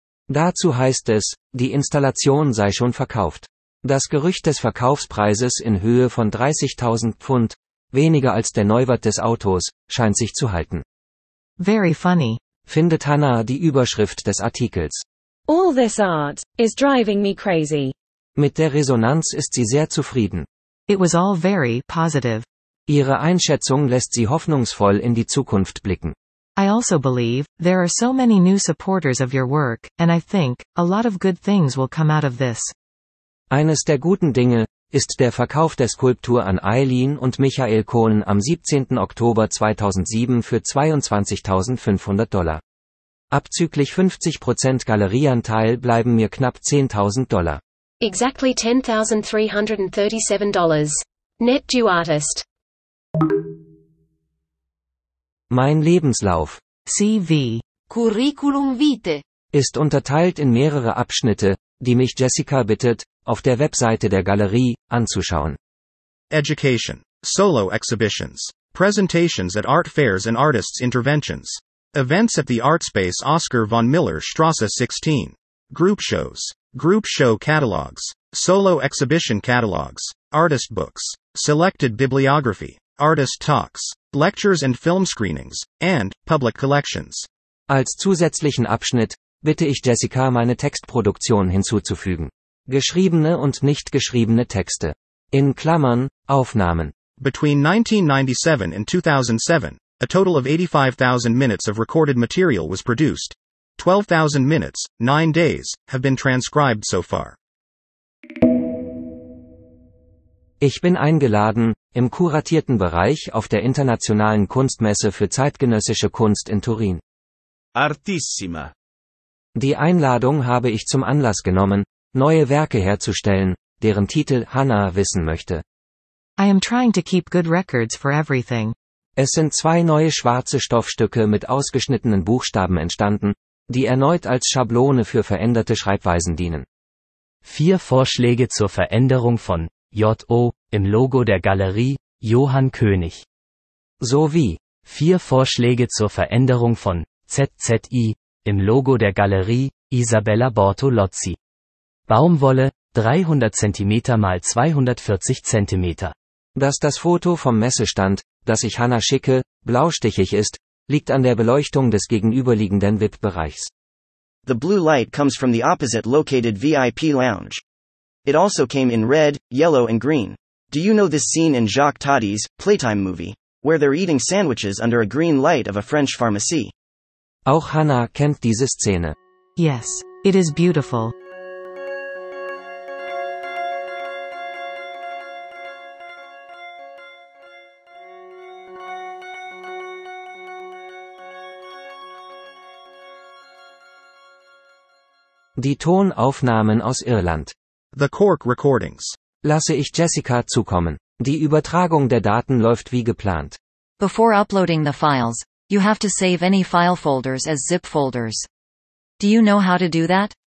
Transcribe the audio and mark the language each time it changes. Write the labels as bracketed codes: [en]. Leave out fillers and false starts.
[de] Dazu heißt es, die Installation sei schon verkauft. Das Gerücht des Verkaufspreises in Höhe von 30.000 Pfund, weniger als der Neuwert des Autos, scheint sich zu halten. [en] Very funny, [de] findet Hannah die Überschrift des Artikels. [en] All this art is driving me crazy. [de] Mit der Resonanz ist sie sehr zufrieden. [en] It was all very positive. [de] Ihre Einschätzung lässt sie hoffnungsvoll in die Zukunft blicken. [en] I also believe there are so many new supporters of your work, and I think a lot of good things will come out of this. [de] Eines der guten Dinge ist der Verkauf der Skulptur an Eileen und Michael Kohlen am 17. Oktober 2007 für $22,500. Abzüglich 50% Galerieanteil bleiben mir knapp $10,000. [en] Exactly $10,337. Net due artist. [de] Mein Lebenslauf, [en] CV, Curriculum Vitae, [de] ist unterteilt in mehrere Abschnitte, die mich Jessica bittet, auf der Webseite der Galerie anzuschauen. [en] Education, Solo Exhibitions, Presentations at Art Fairs and Artists Interventions, Events at the Artspace Oscar von Miller Strasse 16, Group Shows, Group Show Catalogs, Solo Exhibition Catalogs, Artist Books, Selected Bibliography, Artist Talks, Lectures and Film Screenings, and Public Collections. [de] Als zusätzlichen Abschnitt bitte ich Jessica, meine Textproduktion hinzuzufügen. Geschriebene und nicht geschriebene Texte. In Klammern, Aufnahmen. [en] Between 1997 and 2007, a total of 85,000 minutes of recorded material was produced. 12,000 minutes, 9 days, have been transcribed so far. [de] Ich bin eingeladen, im kuratierten Bereich auf der Internationalen Kunstmesse für zeitgenössische Kunst in Turin. Artissima. Die Einladung habe ich zum Anlass genommen, neue Werke herzustellen, deren Titel Hannah wissen möchte. [en] I am trying to keep good records for everything. [de] Es sind 2 neue schwarze Stoffstücke mit ausgeschnittenen Buchstaben entstanden, die erneut als Schablone für veränderte Schreibweisen dienen. 4 Vorschläge zur Veränderung von J.O. im Logo der Galerie, Johann König. Sowie 4 Vorschläge zur Veränderung von Z.Z.I. im Logo der Galerie, Isabella Bortolozzi. Baumwolle, 300 cm mal 240 cm. Dass das Foto vom Messestand, das ich Hannah schicke, blaustichig ist, liegt an der Beleuchtung des gegenüberliegenden VIP-Bereichs. [en] The blue light comes from the opposite located VIP lounge. It also came in red, yellow and green. Do you know this scene in Jacques Tati's Playtime movie, where they're eating sandwiches under a green light of a French pharmacy? [de] Auch Hannah kennt diese Szene. [en] Yes, it is beautiful. [de] Die Tonaufnahmen aus Irland. [en] The Cork Recordings. [de] Lasse ich Jessica zukommen. Die Übertragung der Daten läuft wie geplant. [en] Before uploading the files, you have to save any file folders as zip folders. Do you know how to do that?